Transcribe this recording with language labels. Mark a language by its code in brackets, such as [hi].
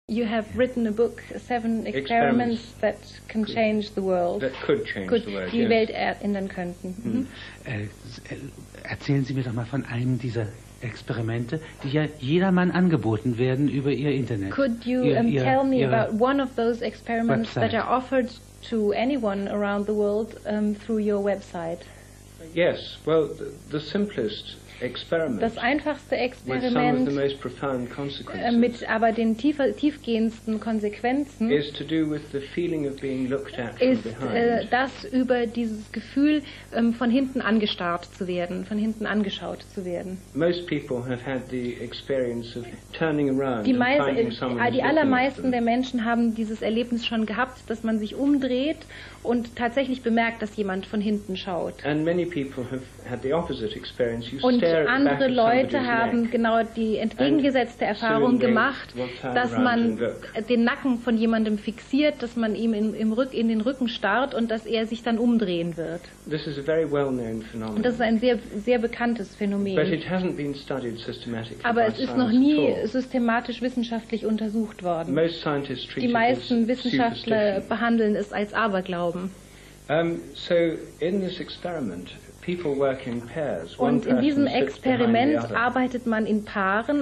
[en] You have written a book, seven experiments that can change the world. That could change could the world, [de] die [en] yes. [de] Welt ändern könnten. Mm. Mm. Erzählen Sie mir doch mal von einem dieser Experimente, die ja jedermann angeboten werden über Ihr Internet. [en] Could you tell me about one of those experiments website. That are offered to anyone around the world through your website? Yes, well, the simplest experiment. [de] Das einfachste Experiment, [en] with some of the most profound consequences, [de] mit aber den tiefgehendsten Konsequenzen, [en] is to do with the feeling of being looked at from behind. [de] Ist das über dieses Gefühl, von hinten angestarrt zu werden, von hinten angeschaut zu werden. [en] Most people have had the experience of turning around and finding someone. [de] Die allermeisten der Menschen haben dieses Erlebnis schon gehabt, dass man sich umdreht und tatsächlich bemerkt, dass jemand von hinten schaut. [en] And many people have had the opposite experience. You [de] und andere Leute haben genau die entgegengesetzte Erfahrung gemacht, dass man den Nacken von jemandem fixiert, dass man ihm in den Rücken starrt und dass er sich dann umdrehen wird. [en] This is a very well-known phenomenon. [de] Und das ist ein sehr, sehr bekanntes Phänomen. [en] But it hasn't been studied systematically. [de] Aber es ist noch nie systematisch wissenschaftlich untersucht worden. [en] Most scientists treat [de] die meisten Wissenschaftler behandeln es als Aberglauben. [en] So in this experiment, people work in pairs. [de] Und in diesem Experiment arbeitet man in Paaren.